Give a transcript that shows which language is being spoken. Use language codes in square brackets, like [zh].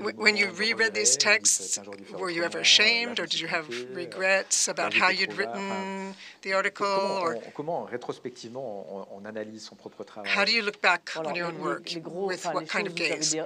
[en] When you reread these texts, were you ever ashamed, or did you have regrets about how you'd written the article? [fr] Comment rétrospectivement on analyse son propre travail? [en] How do you look back on your own work with what kind of gaze?